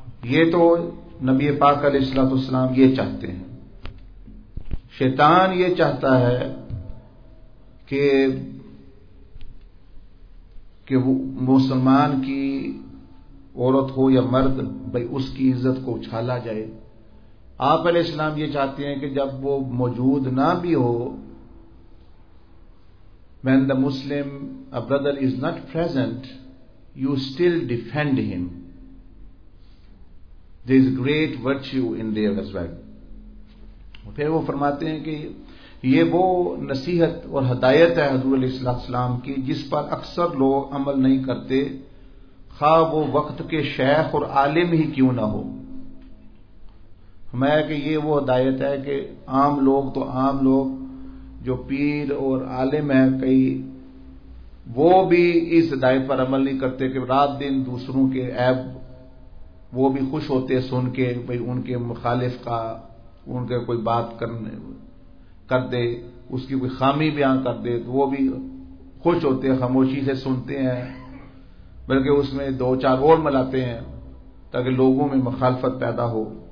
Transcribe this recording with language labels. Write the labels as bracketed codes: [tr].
[ur] یہ تو نبی پاک علیہ الصلوۃ والسلام یہ چاہتے ہیں. شیطان یہ چاہتا ہے کہ وہ مسلمان کی عورت ہو یا مرد, بھائی اس کی عزت کو اچھالا جائے. آپ علیہ السلام یہ چاہتے ہیں کہ جب وہ موجود نہ بھی ہو, [en] when the Muslim a brother is not present you still defend him, there is great virtue in there as well. [ur] پھر وہ فرماتے ہیں کہ یہ وہ نصیحت اور ہدایت ہے حضور علیہ السلام کی جس پر اکثر لوگ عمل نہیں کرتے, خواہ وہ وقت کے شیخ اور عالم ہی کیوں نہ ہو. میں کہ یہ وہ ہدایت ہے کہ عام لوگ, تو عام لوگ جو پیر اور عالم ہیں کئی, وہ بھی اس ہدایت پر عمل نہیں کرتے کہ رات دن دوسروں کے عیب وہ بھی خوش ہوتے سن کے, بھائی ان کے مخالف کا ان کے کوئی بات کر دے, اس کی کوئی خامی بیان کر دے تو وہ بھی خوش ہوتے خاموشی سے سنتے ہیں, بلکہ اس میں دو چار اور ملاتے ہیں تاکہ لوگوں میں مخالفت پیدا ہو.